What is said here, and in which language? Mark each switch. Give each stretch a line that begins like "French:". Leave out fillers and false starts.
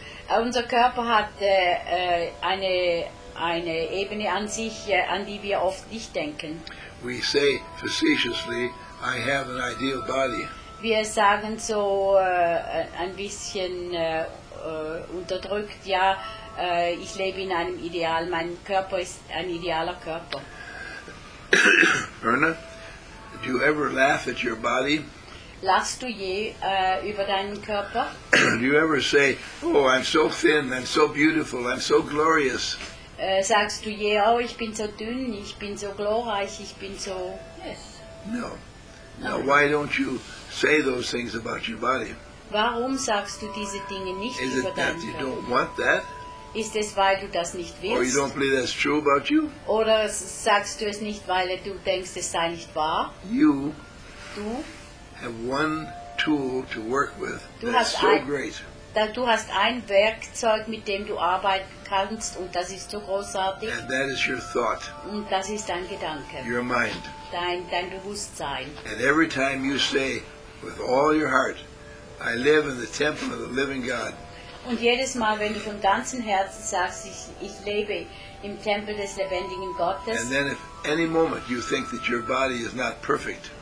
German: Unser Körper hat eine Ebene an sich, an die wir oft nicht denken.
English: We say facetiously, I have an ideal body.
German: Wir sagen so ein bisschen unterdrückt, ja, ich lebe in einem Ideal, mein Körper ist ein idealer Körper.
English: Erna, do you ever laugh at your body?
German: Lachst du je über deinen Körper?
English: Do you ever say, oh, I'm so thin, I'm so beautiful, I'm so glorious?
German: Sagst du je, oh, ich bin so dünn, ich bin so glorreich, ich bin so...
English: Yes. No. Now, why don't you say those things about your body?
German: Warum sagst du diese Dinge nicht
English: Is
German: über deinen Körper?
English: Is it that you don't want that?
German: Ist es, weil du das nicht willst?
English: Or you don't believe that's true about you?
German: Oder sagst du es nicht, weil du denkst, es sei nicht wahr?
English: Du have one tool to work with that's so great.
German: Du hast ein Werkzeug, mit dem du arbeiten kannst, und das ist so großartig.
English: And that is your thought.
German: Und das ist dein Gedanke.
English: Your mind.
German: Dein Bewusstsein.
English: And every time you say, with all your heart, I live in the temple of the living God.
German: Und jedes Mal, wenn du vom ganzen Herzen sagst, ich lebe im Tempel des lebendigen Gottes.
English: And then if any moment you think that your body is not perfect,